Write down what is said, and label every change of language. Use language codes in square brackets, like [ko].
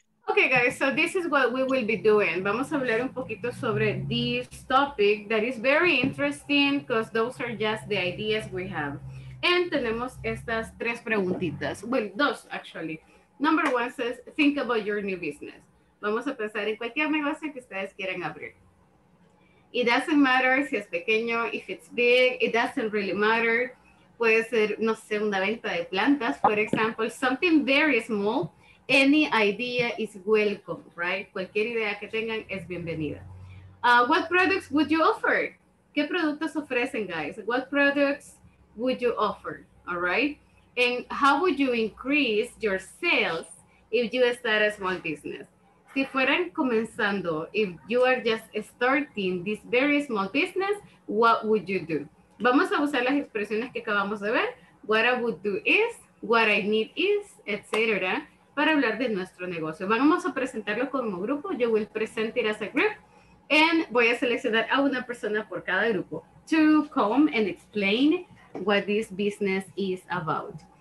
[en] Okay, guys, so this is what we will be doing. [es] Vamos a hablar un poquito sobre [en] this topic that is very interesting because those are just the ideas we have. [es] And tenemos estas tres preguntitas. Well, dos, actually. [en] Number one says, think about your new business. [es] Vamos a pensar en cualquier negocio que ustedes quieran abrir. [en] It doesn't matter [es] si es pequeño, [en] if it's big, it doesn't really matter. [es] Puede ser, no sé, una venta de plantas, [en] for example, something very small. Any idea is welcome, right? [es] Cualquier idea que tengan es bienvenida. [en] What products would you offer? [es] ¿Qué productos ofrecen, [en] guys? What products would you offer, all right? And how would you increase your sales if you start a small business? [es] Si fueran comenzando, [en] if you are just starting this very small business, what would you do? [es] Vamos a usar las expresiones que acabamos de ver. [en] What I would do is, what I need is, etc. [es] Para hablar de nuestro negocio. Vamos a presentarlo como grupo. Yo [en] will present it as a group. [es] And voy a seleccionar a una persona por cada grupo [en] to come and explain what this business is about.